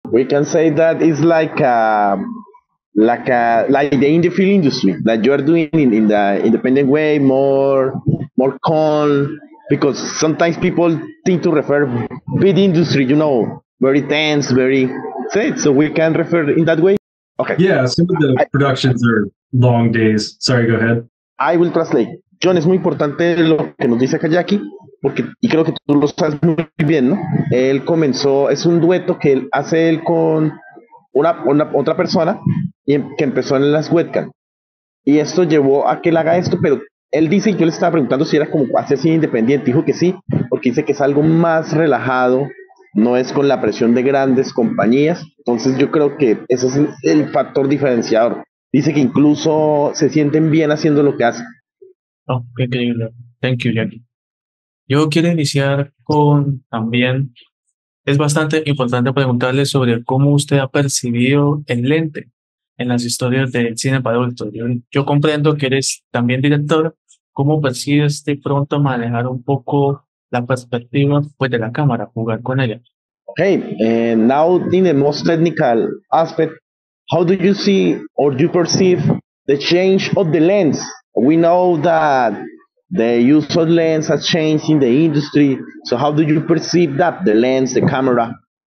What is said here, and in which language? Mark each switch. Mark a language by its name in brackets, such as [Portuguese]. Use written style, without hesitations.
[English] We can say that it's like the indie film industry that you are doing in the independent way, more calm, because sometimes people tend to refer big industry, you know, very tense, very set. So we can refer in that way. Okay. Yeah, some of the productions are long days. Sorry, go ahead. I will translate. [Spanish] John, es muy importante lo que nos dice acá Jackie. Porque, y creo que tú lo sabes muy bien, ¿no? Él comenzó, es un dueto que él hace él con otra persona y que empezó en las webcam. Y esto llevó a que él haga esto, pero él dice, y yo le estaba preguntando si era como hacer cine independiente, dijo que sí, porque dice que es algo más relajado, no es con la presión de grandes compañías. Entonces yo creo que ese es el factor diferenciador. Dice que incluso se sienten bien haciendo lo que hacen. Oh, qué increíble. [English] Thank you, Jackie. [Spanish] Yo quiero iniciar con también, es bastante importante preguntarle sobre cómo usted ha percibido el lente en las historias del cine para adultos. Yo comprendo que eres también director. ¿Cómo percibes de pronto manejar un poco la perspectiva pues, de la cámara, jugar con ella? [English] Hey, now in the most technical aspect, how do you see or do you perceive the change of the lens? We know that the use of lens has changed in the industry. So how do you perceive that, the lens, the camera?